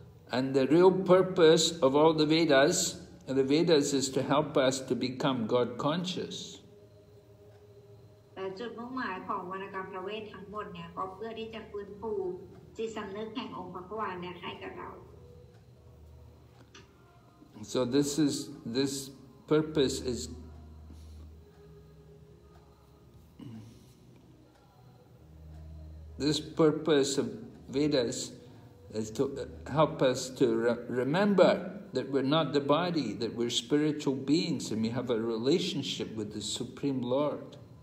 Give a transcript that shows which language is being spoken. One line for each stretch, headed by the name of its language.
English: And the real purpose of all the Vedas is to help us to become God conscious.
Thai: จุดมุ่งหมายของวรรณกรรมประเวททั้งหมดเนี่ยก็เพื่อที่จะฟื้นฟูจิตสำนึกแห่งองค์พระผู้เป็นเจ้าให้กับเรา
English: So this is this purpose is this purpose of Vedas is to help us to remember that we're not the body, that we're spiritual beings and we have a relationship with the Supreme Lord.